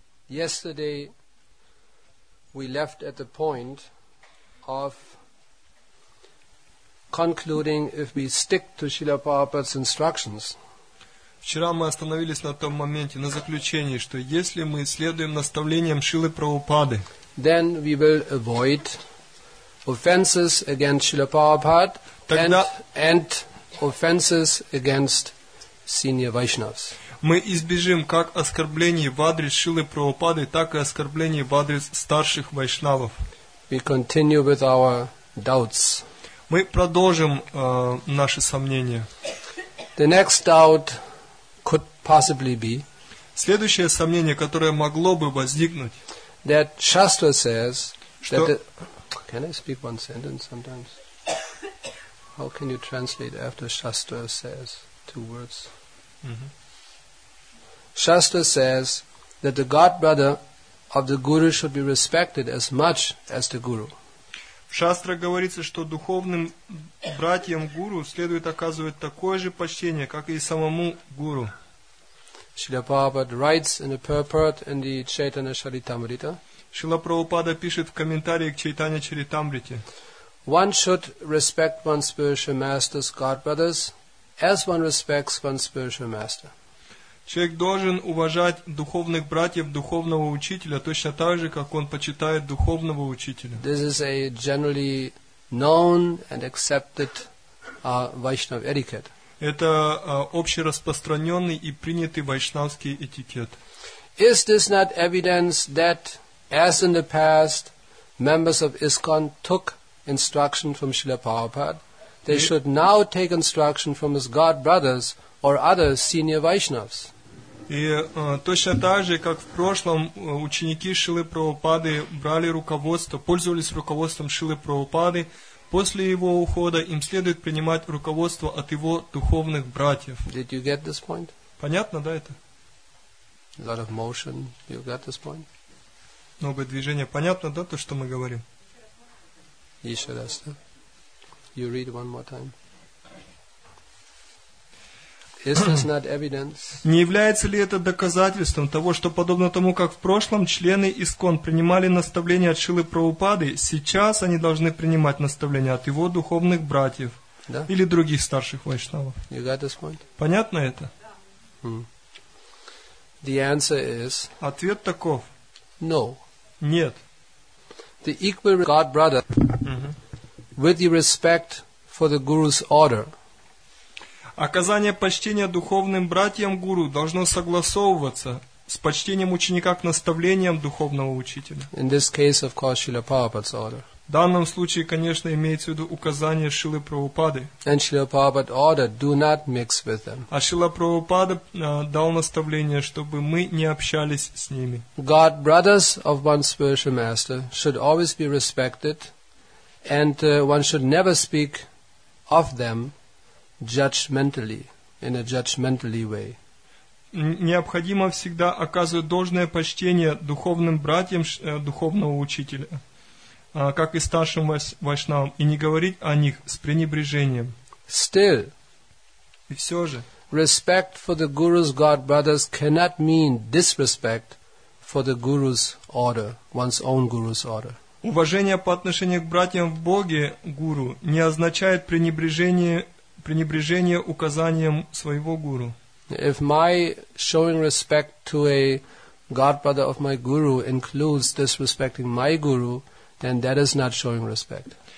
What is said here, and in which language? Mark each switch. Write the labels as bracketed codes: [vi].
[en] Yesterday we left at the point of concluding if we stick to Srila Prabhupada's instructions. [ru] Вчера мы остановились на том моменте, на заключении, что если мы следуем наставлениям Шрилы Прабхупады, [en] then we will avoid offenses against Srila Prabhupada and offenses against senior Vaishnavas. [ru] Мы избежим как оскорблений в адрес Шрилы Прабхупады, так и оскорблений в адрес старших вайшнавов. [en] We continue with our doubts. [ru] Мы продолжим наши сомнения. [en] The next doubt could possibly be, [ru] следующее сомнение, которое могло бы возникнуть, [en] that Shastra says that the, can I speak one sentence sometimes? How can you translate after Shastra says two words? Shastra says that the godbrother of the guru should be respected as much as the guru. [ru] В Шастре говорится, что духовным братьям гуру следует оказывать такое же почтение, как и самому гуру. [en] Шрила Прабхупада writes in a purport in the Chaitanya Charitamrita. [ru] Шрила Прабхупада пишет в комментарии к Чайтанья Чаритамрите. [en] One should respect one's spiritual master's godbrothers as one respects one's spiritual master. [ru] Человек должен уважать духовных братьев духовного учителя точно так же, как он почитает духовного учителя. [en] This is a generally known and accepted Vaishnav etiquette. [ru] Это общераспространенный и принятый вайшнавский этикет. [en] Is this not evidence that, as in the past, members of ISKCON took instruction from Srila Prabhupada? They should now take instruction from his godbrothers or other senior Vaishnavas. [ru] И точно так же, как в прошлом, ученики Шрилы Прабхупады брали руководство, пользовались руководством Шрилы Прабхупады. После его ухода им следует принимать руководство от его духовных братьев. [en] Did you get this point? [ru] Понятно, да, это? [en] A lot of motion. You got this point? [ru] Новое движение. Понятно, да, то, что мы говорим? Еще раз, да? [en] You read one more time. Is this not evidence? [ru] Не является ли это доказательством того, что подобно тому, как в прошлом члены ИСКОН принимали наставления от Шрилы Прабхупады, сейчас они должны принимать наставления от его духовных братьев или других старших вайшнавов? [en] You got this point? [ru] Понятно это? [en] The answer is, [ru] ответ таков. [en] No. [ru] Нет. [en] The equal God brother with the respect for the Guru's order. [ru] Оказание почтения духовным братьям гуру должно согласовываться с почтением ученика к наставлениям духовного учителя. [en] In this case, of course, Srila Prabhupada's order. [ru] В данном случае, конечно, имеется в виду указание Шрилы Прабхупады. [en] And Srila Prabhupada ordered, do not mix with them. [ru] А Шрила Прабхупада дал наставление, чтобы мы не общались с ними. [en] God brothers of one's spiritual master should always be respected, and one should never speak of them judgmentally, in a judgmentally way. [ru] Необходимо всегда оказывать должное почтение духовным братьям духовного учителя, как и старшим вайшнавам, и не говорить о них с пренебрежением. [en] Still, [ru] и все же, [en] respect for the guru's godbrothers cannot mean disrespect for the guru's order, one's own guru's order. [ru] Уважение по отношению к братьям в Боге гуру не означает пренебрежение. Пренебрежение указанием своего гуру. [en] If my showing respect to a godbrother of my guru includes disrespecting my guru, then that is not showing respect.